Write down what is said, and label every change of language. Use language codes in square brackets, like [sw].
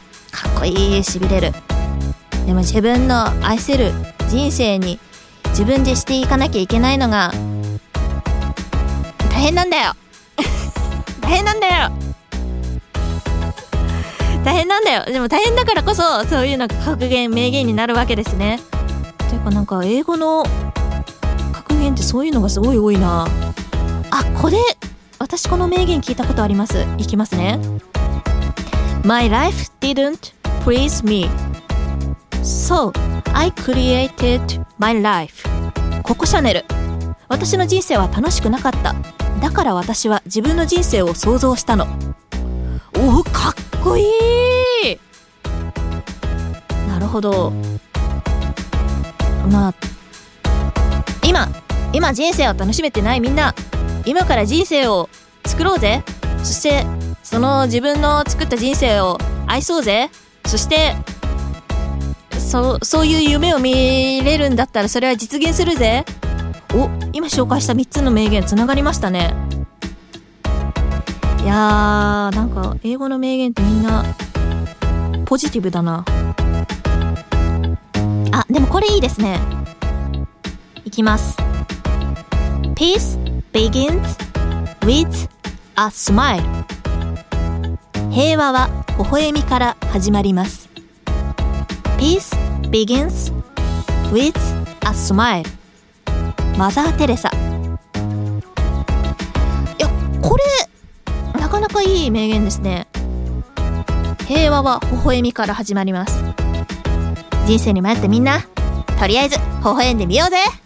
[ja] かっこいい、しびれる。でも自分の愛せる人生に自分でしていかなきゃいけないのが大変なんだよ大変なんだよ大変なんだよ。でも大変だからこそ、そういうのが格言、名言になるわけですね。ていうか、なんか英語の格言ってそういうのがすごい多いな。あ、これ私この名言聞いたことあります。いきますね。 [en] My life didn't please me, so I created my life。 [ja] ココシャネル。私の人生は楽しくなかった、だから私は自分の人生を想像したの。お、かっこいい。なるほど。まあ、今人生を楽しめてないみんな、今から人生を作ろうぜ。そしてその自分の作った人生を愛そうぜ。そしてそういう夢を見れるんだったらそれは実現するぜ。お、今紹介した3つの名言つながりましたね。いやー、なんか英語の名言ってみんなポジティブだな。あ、でもこれいいですね。いきます。 [en] Peace begins with a smile. [ja] 平和は微笑みから始まります。 [en] Peace begins with a smile. [ja] マザーテレサ。いや、これなかなかいい名言ですね。平和は微笑みから始まります。人生に迷ってみんな、とりあえず微笑んでみようぜ。